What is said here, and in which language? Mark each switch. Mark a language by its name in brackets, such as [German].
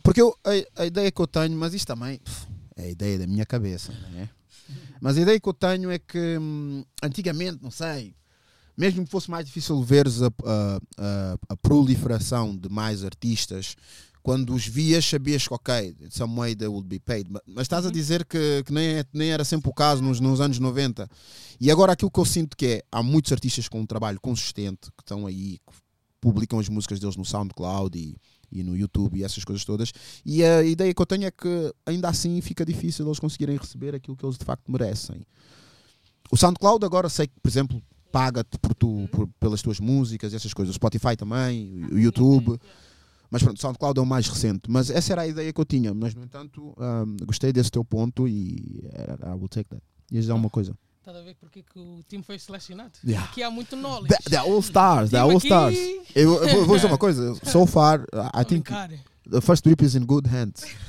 [Portuguese] Porque a ideia que eu tenho, mas isto também é a ideia da minha cabeça, não é? Mas a ideia que eu tenho é que antigamente, não sei, mesmo que fosse mais difícil veres a proliferação de mais artistas. Quando os vias, sabias que, ok, [English] in some way they would be paid. [Portuguese] Mas estás a dizer que nem era sempre o caso nos anos 90. E agora aquilo que eu sinto que é, há muitos artistas com um trabalho consistente, que estão aí, que publicam as músicas deles no SoundCloud e no YouTube e essas coisas todas. E a ideia que eu tenho é que, ainda assim, fica difícil eles conseguirem receber aquilo que eles de facto merecem. O SoundCloud agora, sei que, por exemplo, paga-te pelas tuas músicas e essas coisas. O Spotify também, o YouTube... Mas pronto, SoundCloud é o mais recente. Mas essa era a ideia que eu tinha. Mas, no entanto, gostei desse teu ponto e [English] I will take that. [Portuguese] Ias dizer alguma coisa? Estás a ver porque que o time foi selecionado? [English] Yeah. [Portuguese] Aqui há muito knowledge. [English] They're all stars. They're all stars. [Portuguese] Eu vou dizer uma coisa. [English] So far, I think the first trip is in good hands.